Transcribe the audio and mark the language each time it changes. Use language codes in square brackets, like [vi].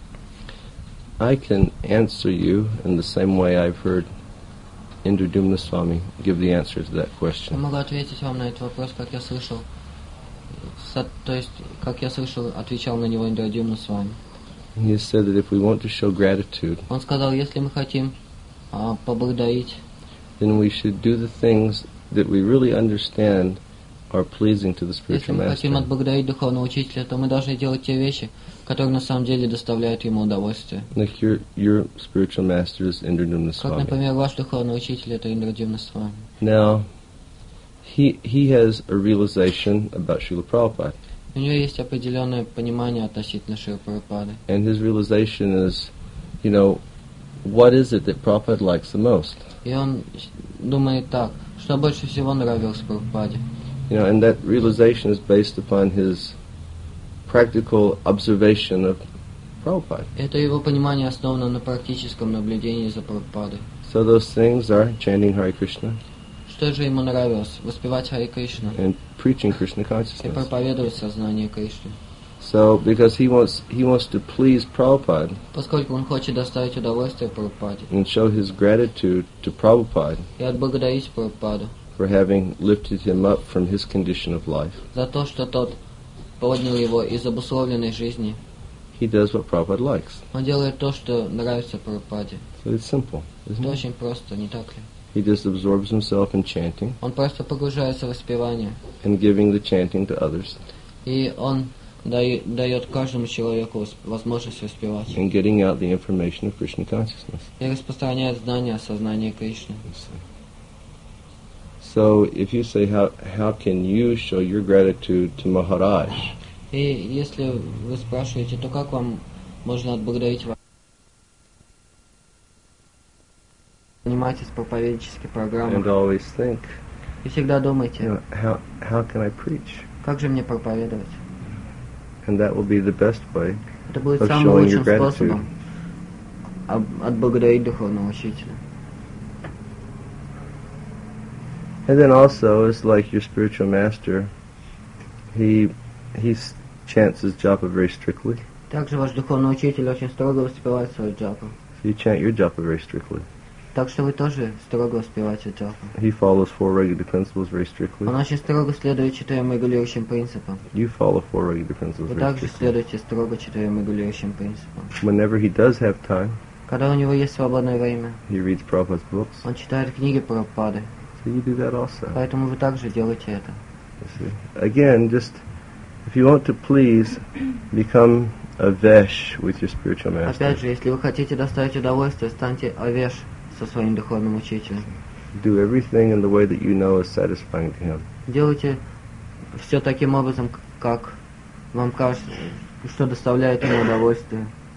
[ru] вопрос. [en] I can answer you in the same way I've heard Indra Dumna Swami give the answer to that question. [ru] Я могу ответить вам на этот вопрос, как я слышал. То есть, как я слышал, отвечал на него Индра Дюмна Свами. [en] He said that if we want to show gratitude, [ru] он сказал, если мы хотим поблагодарить, [en] then we should do the things that we really understand are pleasing to the spiritual master. [ru] Если мы хотим отблагодарить духовного учителя, то мы должны делать те вещи, которые на самом деле доставляют ему удовольствие. [en] Like your spiritual master is Indra Dumna Swami. [ru] Как, например, ваш духовный учитель это Индра Дюмна Свами. [en] Now, he has a realization about Srila Prabhupada. [ru] У него есть определенное понимание относительно Шрилы Прабхупады. [en] And his realization is, you know, what is it that Prabhupada likes the most? [ru] И он думает так, что больше всего нравилось Прабхупаде. [en] You know, and that realization is based upon his practical observation of Prabhupada. [ru] Это его понимание основано на практическом наблюдении за Прабхупадой. [en] So those things are chanting Hare Krishna. [ru] Что же ему нравилось? Воспевать Хари Кришну. [en] And preaching Krishna consciousness. [ru] И проповедовать сознание Кришны. [en] So, because he wants to please Prabhupada. [ru] Поскольку он хочет доставить удовольствие Прабхупаде. [en] And show his gratitude to Prabhupada. [ru] И отблагодарить Прабхупаду. [en] For having lifted him up from his condition of life. [ru] За то, что тот поднял его из обусловленной жизни. [en] He does what Prabhupada likes. [ru] Он делает то, что нравится Прабхупаде. [en] So it's simple, isn't it? [ru] Это очень просто, не так ли? [en] He just absorbs himself in chanting. [ru] Он просто погружается в воспевание. [en] And giving the chanting to others. [ru] И он дает каждому человеку возможность воспевать. [en] And getting out the information of Krishna consciousness. [ru] И распространяет знания о сознании Кришны. [en] So if you say how can you show your gratitude to Maharaj? [ru] И если вы спрашиваете, то как вам можно отблагодарить вас? Занимайтесь проповеднической программой. И всегда думайте, [en] you know, how can I preach? [ru] Как же мне проповедовать? [en] And that will be the best way. [ru] Это будет самым лучшим способом отблагодарить духовного учителя. [en] And then also, it's like your spiritual master, he chants his japa very strictly. [ru] Также ваш духовный учитель очень строго воспевает свою джапу. [en] So you chant your japa very strictly. [ru] Так что вы тоже строго успеваете джапу. [en] He follows four regular principles very strictly. [ru] Он очень строго следует четырем регулирующим принципам. [en] You follow four regular principles very strictly. [ru] Вы также следуете строго четырем регулирующим принципам. [en] Whenever he does have time, [ru] когда у него есть свободное время, [en] he reads Prabhupada's books. [ru] Он читает книги Прабхупады. [en] So you do that also. [ru] Поэтому вы также делаете это. [en] Again, just if you want to please, become a vesh with your spiritual master. [ru] Опять же, если вы хотите доставить удовольствие, станьте авеш. Со своим духовным учителем. [en] Do everything in the way that you know is satisfying to him. [ru] Делайте все таким образом, как вам кажется, что доставляет ему удовольствие.